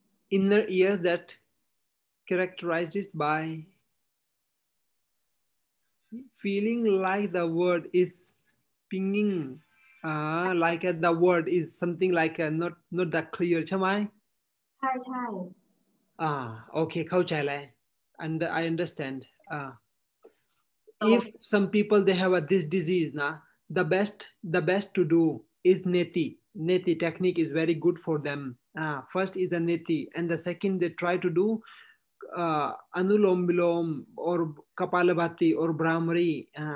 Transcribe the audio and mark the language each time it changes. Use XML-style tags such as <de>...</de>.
<en>Inner ear that characterizes by feeling like the word is pinging. Like the word is something like not that clear,</en> <th>ใช่ไหม? ใช่ใช่</th> <en>okay,</en> <th>เข้าใจแล้ว</th> <en>and I understand. If some people they have this disease, the best to do is neti. Neti technique is very good for them. First is a neti, and the second they try to do anulom vilom or kapalabhati or brahmari.</en>